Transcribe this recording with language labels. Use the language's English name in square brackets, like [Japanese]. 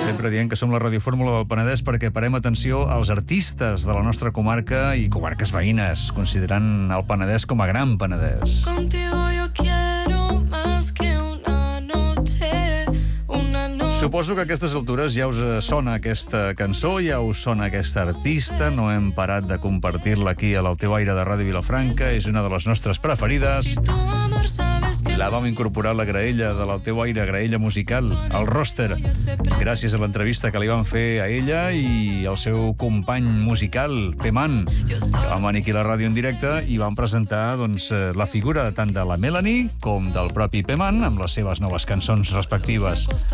[Catalan] Sempre diem que som la radiofórmula del Penedès perquè parem atenció als artistes de la nostra comarca i comarques veïnes, considerant el Penedès com a Gran Penedès. [Spanish] Contigo yo quiero más que una noche, una noche. [Catalan] Suposo que a aquestes altures ja us sona aquesta cançó, ja us sona aquesta artista, no hem parat de compartir-la aquí a l'El teu aire de Ràdio Vilafranca, és una de les nostres preferides. La vam incorporar a la graella de l'El teu aire, graella musical, al roster, gràcies a l'entrevista que li vam fer a ella i al seu company musical, Peman, que vam venir aquí a la ràdio en directe i vam presentar doncs, la figura tant de la Melanie com del propi Peman amb les seves noves cançons respectives.